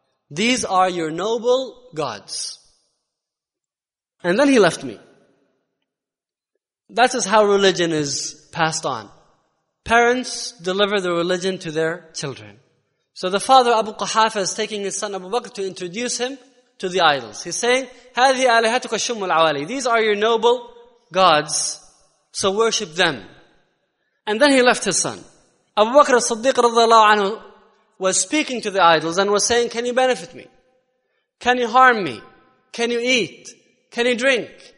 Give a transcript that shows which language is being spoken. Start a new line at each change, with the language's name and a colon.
English: These are your noble gods. And then he left me. That is how religion is passed on. Parents deliver the religion to their children. So the father, Abu Qahafa, is taking his son Abu Bakr to introduce him to the idols. He's saying,
Arabic: هَذِهِ أَلِهَتُكَ الشُّمُّ الْعَوَالِي.
English: These are your noble gods, so worship them. And then he left his son. Abu Bakr as-Siddiq radiallahu anhu was speaking to the idols and was saying, can you benefit me? Can you harm me? Can you eat? Can you drink?